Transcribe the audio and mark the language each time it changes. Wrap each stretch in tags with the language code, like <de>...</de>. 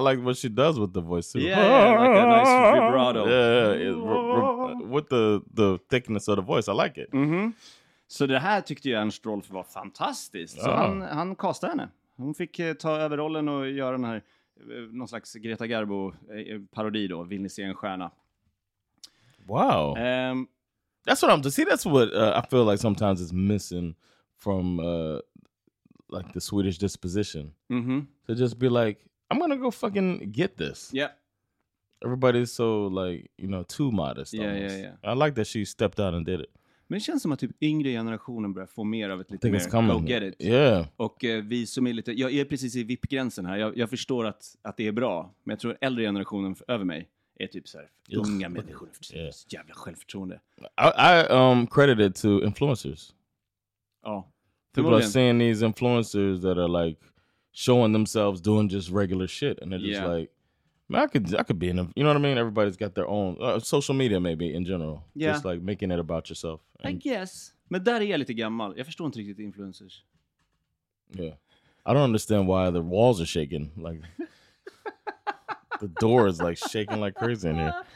<en>I like what she does with the voice too. Yeah, yeah, like a nice vibrato. Yeah, with the thickness of the voice, I like it. Mm-hmm.</en> <sv>Så det här tyckte jag Ernst Rolf var fantastiskt. Så han castade henne. Hon fick ta över rollen och göra den här någon slags Greta Garbo parodi då. Vill ni se en stjärna?</sv> <en>Wow. That's what I'm to see. That's what I feel like sometimes is missing from. Like the Swedish disposition. Mm-hmm. To just be like, I'm gonna go fucking get this. Yeah. Everybody's so like, you know, too modest. Yeah, almost. Yeah. I like that she stepped out and did it.</en> <sv>Men det känns som att typ yngre generationen börjar få mer av ett lite mer</sv> <en>go get it. Yeah.</en> <sv>Och vi som är lite, jag är precis i VIP-gränsen här. Jag förstår att det är bra. Men jag tror äldre generationen över mig är typ så här, unga människor. Yeah. Jävla självförtroende.</sv> <en>I credited to influencers. Ja. Oh. People are seeing these influencers that are like showing themselves doing just regular shit, and they're just like, "Man, I could be in them." You know what I mean? Everybody's got their own social media, maybe in general, just like making it about yourself. And I guess, but</en> <sv>där är jag lite gammal. Jag förstår inte riktigt influencers.</sv> <en>Yeah, I don't understand why the walls are shaking. Like the door is like shaking like crazy in here.</en>